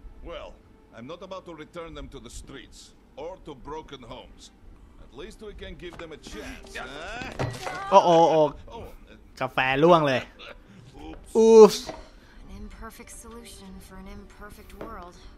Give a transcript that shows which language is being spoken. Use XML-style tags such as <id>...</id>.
<en>Well, I'm not about to return them to the streets or to broken homes. At least we can give them a chance. Oh.</en> <th>กาแฟร่วงเลย Oops.</th> <en>An imperfect solution for an imperfect world.</en>